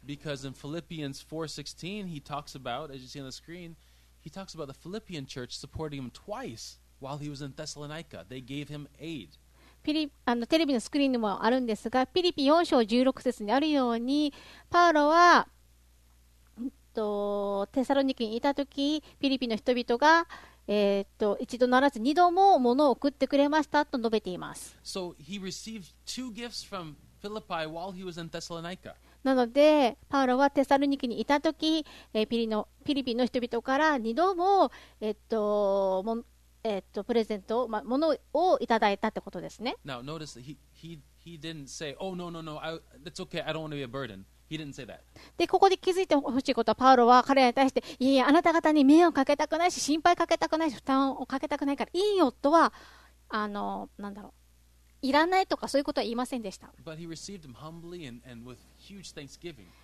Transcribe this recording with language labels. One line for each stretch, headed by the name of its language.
English: Because in Philippians 4:16, he talks about, as you see on the screen, he talks about the Philippian church supporting him twice while he was in Thessalonica. They gave him aid.
Japanese: テレビのスクリーンにもあるんですが、フィリピン4章16節にあるように、パウロは、テサロニキにいたとき、フィリピンの人々が、一度ならず二度も物を送ってくれましたと述べています。
English: So he received two gifts from Philippi while he was in Thessalonica.
Japanese: なのでパウロはテサロニキにいた時、フィリピンの人々から二度も、プレゼント、物をいただいたってことですね。
English: Now notice he didn't say, oh no no no, it's okay, I don't want to be a burden. He didn't say that.
Japanese: でここで気づいてほしいことは、パウロは彼らに対して、いやいや、あなた方に迷惑をかけたくないし、心配かけたくないし、負担をかけたくないから、いいよとは、なんだろう、いらないとかそういうことは言いませんでした。
English: But he received them humbly and with huge thanksgiving.